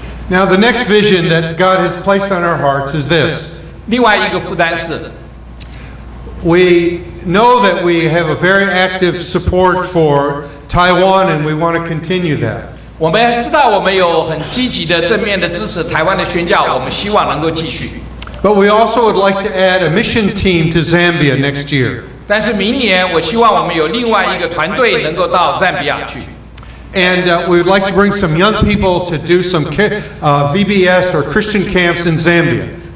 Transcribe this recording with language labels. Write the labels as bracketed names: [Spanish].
[English] Now, the next vision that God has placed on our hearts is this. We know that we have a very active support for Taiwan, and we want to continue that. [Chinese] 我们知道我们有很积极的正面的支持台湾的宣教, 我们希望能够继续。 [English] But we also would like to add a mission team to Zambia next year. [Chinese] 但是明年我希望我们有另外一个团队能够到赞比亚去。 [English] And we would like to bring some young people to do some VBS or Christian camps in Zambia.